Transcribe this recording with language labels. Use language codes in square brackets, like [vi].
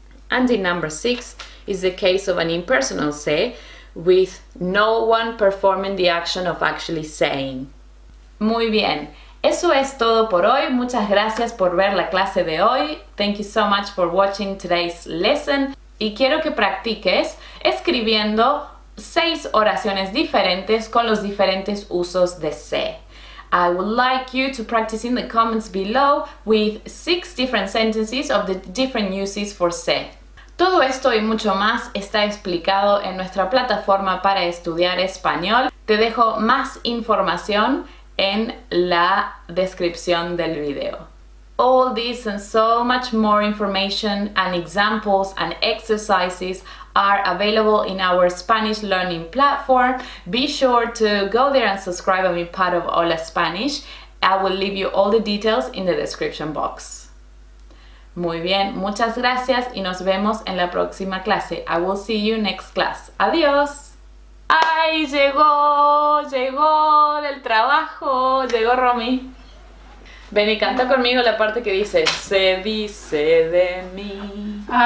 [en] And in number 6, is the case of an impersonal se, with no one performing the action of actually saying. [es] Muy bien, eso es todo por hoy. Muchas gracias por ver la clase de hoy. [en] Thank you so much for watching today's lesson. [es] Y quiero que practiques escribiendo 6 oraciones diferentes con los diferentes usos de se. [en] I would like you to practice in the comments below with 6 different sentences of the different uses for se. [es] Todo esto y mucho más está explicado en nuestra plataforma para estudiar español. Te dejo más información en la descripción del video. [en] All this and so much more information and examples and exercises are available in our Spanish learning platform. Be sure to go there and subscribe and be part of Hola Spanish. I will leave you all the details in the description box. [es] Muy bien, muchas gracias y nos vemos en la próxima clase. [en] I will see you next class. [es] ¡Adiós! ¡Ay, llegó del trabajo! ¡Llegó Romy! Ven y canta conmigo la parte que dice se dice de mí.